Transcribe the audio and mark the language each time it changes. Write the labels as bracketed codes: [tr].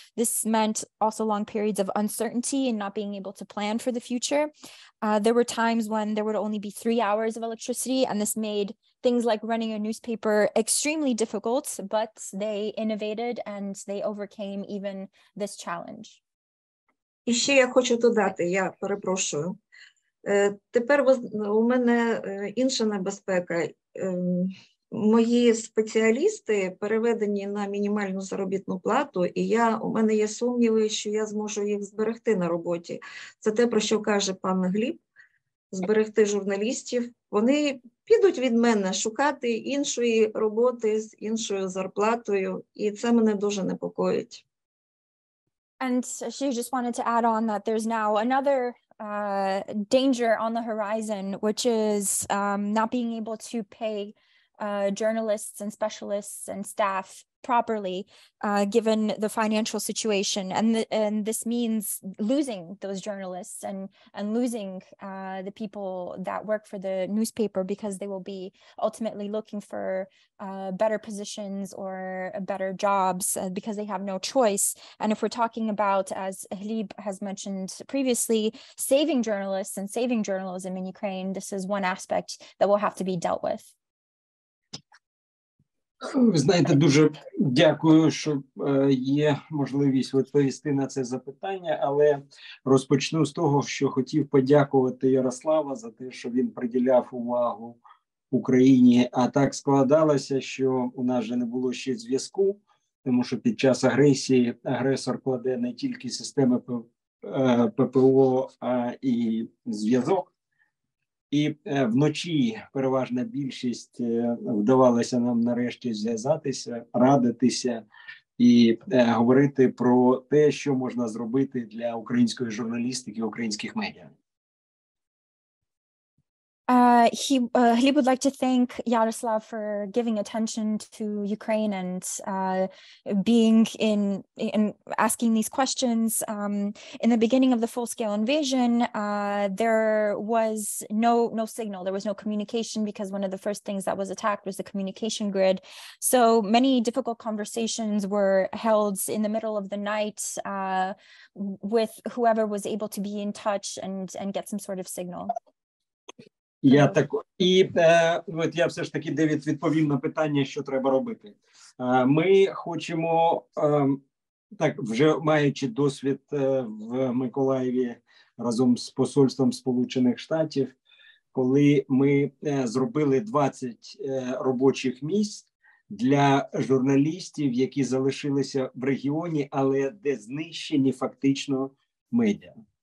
[en] This meant also long periods of uncertainty and not being able to plan for the future. There were times when there would only be 3 hours of electricity, and this made things like running a newspaper extremely difficult, but they innovated and they overcame even this challenge. [uk] І ще я хочу додати, я перепрошую. Тепер у мене інша небезпека. Мої спеціалісти переведені на мінімальну заробітну плату, і у мене є сумніви, що я зможу їх зберегти на роботі. Це те, про що каже пан Гліб, зберегти журналістів. Вони підуть від мене шукати іншої роботи з іншою зарплатою, і це мене дуже непокоїть. [en] And she just wanted to add on that there's now another danger on the horizon, which is not being able to pay journalists and specialists and staff properly, given the financial situation. And this means losing those journalists and losing the people that work for the newspaper, because they will be ultimately looking for better positions or better jobs because they have no choice. And if we're talking about, as Hlib has mentioned previously, saving journalists and saving journalism in Ukraine, this is one aspect that will have to be dealt with. [uk] Ви знаєте, дуже дякую, що є можливість відповісти на це запитання, але розпочну з того, що хотів подякувати Ярослава за те, що він приділяв увагу Україні. А так складалося, що у нас же не було ще зв'язку, тому що під час агресії агресор кладе не тільки системи ППО, а і зв'язок. І вночі переважна більшість вдавалося нам нарешті зв'язатися, радитися і говорити про те, що можна зробити для української журналістики, українських медіа. [en] Gleb would like to thank Yaroslav for giving attention to Ukraine and being in asking these questions. In the beginning of the full-scale invasion, there was no signal. There was no communication because one of the first things that was attacked was the communication grid. So many difficult conversations were held in the middle of the night with whoever was able to be in touch and get some sort of signal. [uk] Я так і от я все ж таки Девід відповім на питання, що треба робити. Ми хочемо так, вже маючи досвід в Миколаєві разом з посольством Сполучених Штатів, коли ми зробили 20 робочих місць для журналістів, які залишилися в регіоні, але де знищені фактично медіа.